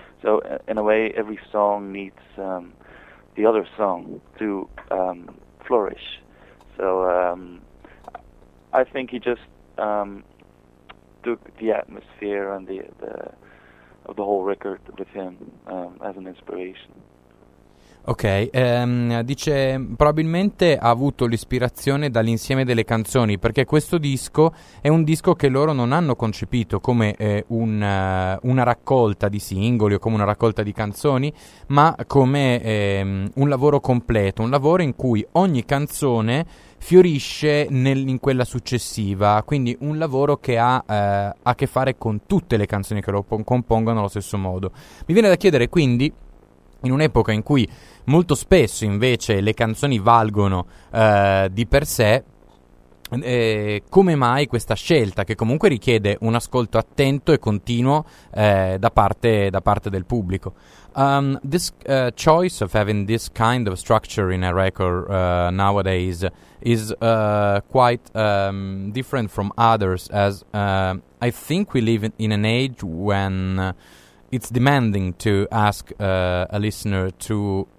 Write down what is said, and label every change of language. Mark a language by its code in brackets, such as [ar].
[en] So in a way, every song needs the other song to flourish. So I think he just took the atmosphere and the of the whole record with him as an inspiration. [it] Ok, dice probabilmente ha avuto l'ispirazione dall'insieme delle canzoni, perché questo disco è un disco che loro non hanno concepito come una raccolta di singoli o come una raccolta di canzoni, ma come un lavoro completo, un lavoro in cui ogni canzone fiorisce in quella successiva, quindi un lavoro che ha a che fare con tutte le canzoni che lo compongono allo stesso modo. Mi viene da chiedere quindi, in un'epoca in cui molto spesso invece le canzoni valgono di per sé, come mai questa scelta, che comunque richiede un ascolto attento e continuo da parte del pubblico? [en] This choice of having this kind of structure in a record nowadays is quite different from others, as I think we live in an age when it's demanding to ask a listener to